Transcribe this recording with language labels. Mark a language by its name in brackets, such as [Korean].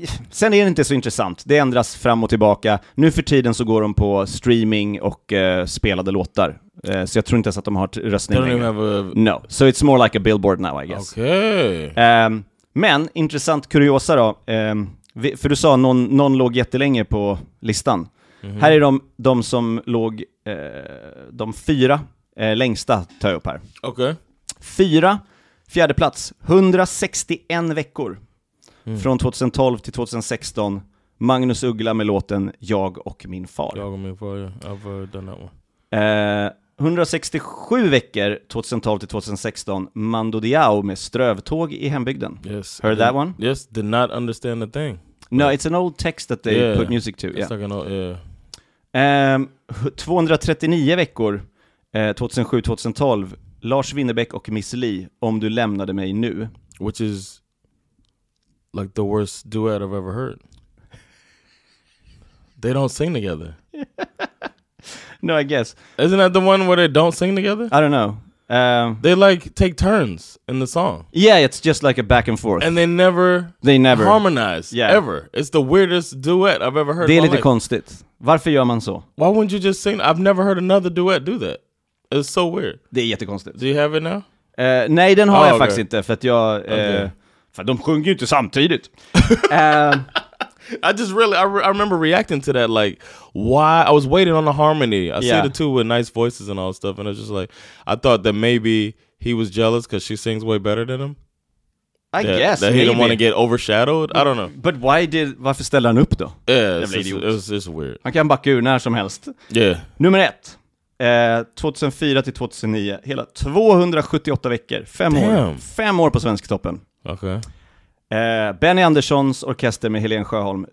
[Swedish] sen är det inte så intressant. Det ändras fram och tillbaka. Nu för tiden så går de på streaming och spelade låtar. Så jag tror inte ens att de har röstning längre. [English] No, so it's more like a billboard now, I guess. Okay. [Swedish] Men, intressant kuriosa då. För du sa att någon låg jättelänge på listan. Mm-hmm. Här är de som låg de fyra längsta tar jag upp här. [English] Okay. [Swedish] Fyra, fjärde plats, 161 veckor. Mm. Från 2012 till 2016, Magnus Uggla med låten Jag och min far. [English] Jag och min far, yeah. I've heard that one. [Swedish] 167 veckor 2012 till 2016, Mando Diao med Strövtåg i hembygden. [English] Yes. Heard that one? Yes, did not understand the thing. No, it's an old text that they put music to. Yeah. Like an old, [Swedish] 239 veckor 2007-2012, Lars Winnerbäck och Miss Li, Om du lämnade mig nu. [English] Which is... like the worst duet I've ever heard. They don't sing together. No, I guess. Isn't that the one where they don't sing together? I don't know. They like take turns in the song. Yeah, it's just like a back and forth. And they never harmonize. Yeah. Ever. It's the weirdest duet I've ever heard. [Swedish] Det är lite konstigt. Varför gör man så? [English] Why wouldn't you just sing? I've never heard another duet do that. It's so weird. [Swedish] Det är jättekonstigt. [English] Do you have it now? [Swedish] Nej, den har jag faktiskt inte för att jag för de sjunger ju inte samtidigt. [English] I remember reacting to that, like, why? I was waiting on the harmony. I see the two with nice voices and all stuff, and it's just like, I thought that maybe he was jealous because she sings way better than him. I guess. That he didn't want to get overshadowed. I don't know. But why did, [Swedish] varför ställde han upp då? [English] Yeah, it's weird. [Swedish] Han kan backa ur när som helst. [English] Yeah. [Swedish] Nummer ett. 2004 till 2009. Hela 278 veckor. Fem år på Svensktoppen. [English] Okay. [Swedish] Benny Anderssons orkester med Helene Sjöholm.